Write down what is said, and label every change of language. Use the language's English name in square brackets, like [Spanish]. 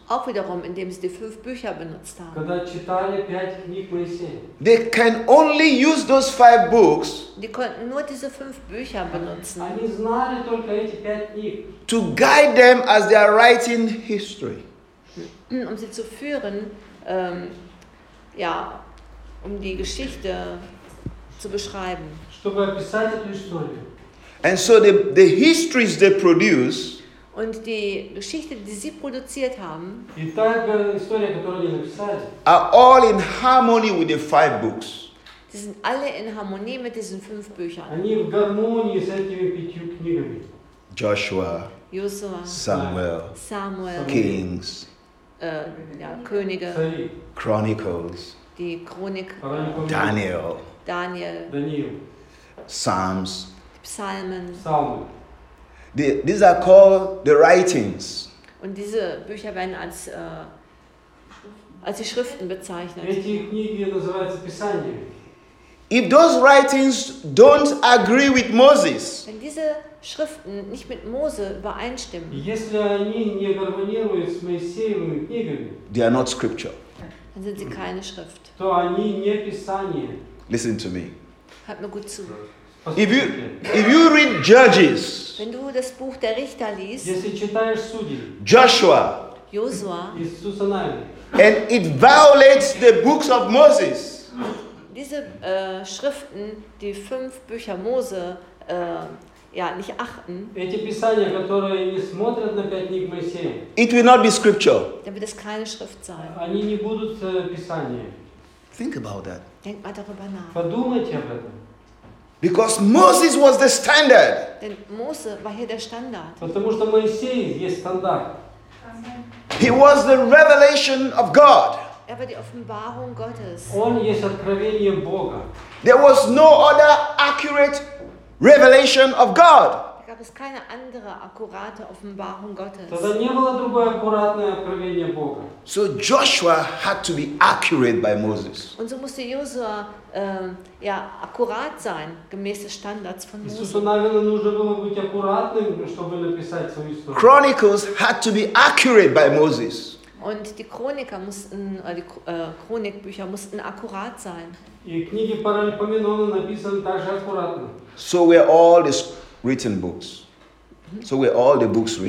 [German] Auch wiederum, indem sie die fünf Bücher benutzt haben. [Russian] Когда читали пять книг Моисея. [English] They can only use those five books. [German] Die konnten nur diese fünf Bücher benutzen. [Russian] Они знали только эти пять книг. [English] To guide them as they are writing history. [German] Um sie zu führen, ja, um die Geschichte zu beschreiben. [Russian] Чтобы описать эту историю. [English] And so the histories they produce, [German] und die Geschichte, die sie produziert haben, die Historie, die gesagt, [English] are all in harmony with the five books. [German] Die sind alle in Harmonie mit diesen fünf Büchern. [Russian] Они в гармонии с этими пятью книгами. [English] Joshua, [German] Joshua, [English] Samuel, [German] Samuel, [English] Kings, [German] ja, Könige, [English] Chronicles, [German] die Chronik, [English] Daniel, [German] Daniel, Daniel, [English] Psalms. [German] Psalmen. [English] These are called the writings. [German] Und diese Bücher werden als als die Schriften bezeichnet. [Russian] Эти книги называются Писание. [English] If those writings don't agree with Moses. [German] Wenn diese Schriften nicht mit Mose übereinstimmen. [Russian] Если они не гармонируют с Моисеевыми книгами. [English] They are not scripture. [German] Dann sind sie keine Schrift. [Russian] То они не Писание. [English] Listen to me. [German] Hört mir gut zu. [English] If you read Judges, [German] wenn du das Buch der Richter liest, [English] Joshua, [German] Josua, [English] and it violates the books of Moses. [German] Diese Schriften, die fünf Bücher Mose, ja, nicht achten. [Russian] Эти писания, которые не смотрят на пять книг Моисея. [English] It will not be scripture. [German] Dann wird es keine Schrift sein. [Russian] Они не будут писание. [English] Think about that. [German] Denk mal darüber nach. [Russian] Подумайте об этом. [English] Because Moses was the standard. [German] Denn Mose war hier der Standard. [Russian] Потому что Моисей есть стандарт. [English] He was the revelation of God. [German] Er war die Offenbarung Gottes. [Russian] Он есть откровение Бога. [English] There was no other accurate revelation of God. [German] Gab es keine andere akkurate Offenbarung Gottes. [Russian] Тогда не было другое аккуратное откровение Бога. [English] So Joshua had to be accurate by Moses. [German] Und so musste Josua ja akkurat sein gemäß des Standards von Moses. [Russian] Иисусу, наверное, нужно было быть аккуратным, чтобы написать свою историю. [English] Chronicles had to be accurate by Moses. [German] Und die Chroniker mussten die Chronikbücher mussten akkurat sein. [Russian] И книги Паралипоменона написаны также аккуратно. [English] So we are all this written books. So we are all the books written.